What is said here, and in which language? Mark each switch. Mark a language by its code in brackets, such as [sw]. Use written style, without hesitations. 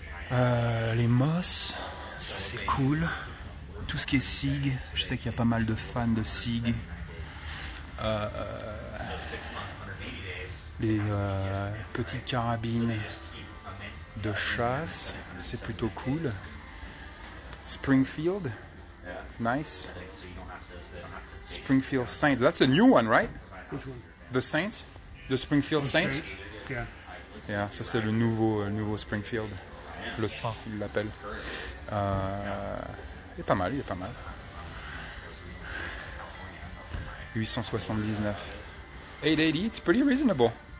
[fr] Les Moss, ça c'est cool. Tout ce qui est SIG, je sais qu'il y a pas mal de fans de SIG. les petites carabines de chasse, c'est plutôt cool. [en] Springfield, nice. Springfield Saints, that's a new one, right? Which one? The Saints, the Springfield Saints. Yeah. [fr] Yeah, ça c'est le nouveau Springfield, le Saint, il l'appelle. Il est pas mal, il est pas mal. [en] 879. 880, it's pretty reasonable.